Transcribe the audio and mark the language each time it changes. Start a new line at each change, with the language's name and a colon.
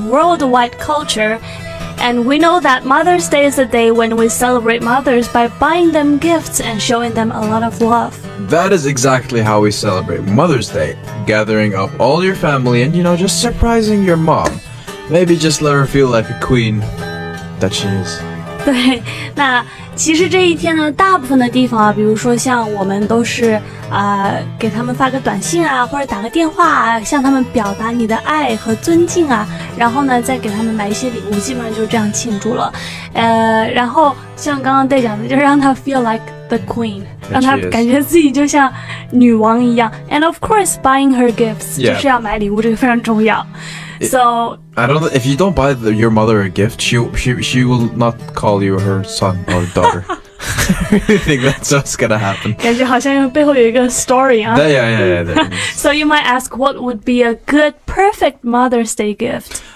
English: and worldwide culture, and we know that Mother's Day is a day when we celebrate mothers by buying them gifts and showing them a lot of love. That is exactly how we celebrate Mother's Day, gathering up all your family and, you know, just surprising your mom. Maybe just let her feel like a queen that she is.
Chinese: 对，那其实这一天呢，大部分的地方啊，比如说像我们都是给他们发个短信啊，或者打个电话啊，向他们表达你的爱和尊敬啊，然后呢，再给他们买一些礼物，基本上就是这样庆祝了。然后像刚刚队讲的，就是让他
English: feel like the queen，
Chinese: 让他感觉自己就像女王一样。
English: And of course, buying her gifts、 yeah.
Chinese: 就是要买礼物，这个非常重要。
English: So I don't know, if you don't buy your mother a gift, she will not call you her son or daughter. I think that's what's gonna happen.
Chinese: 感觉好像背后有一个 story 啊。
English: Yeah. So you might ask, what would be a good, perfect Mother's Day gift?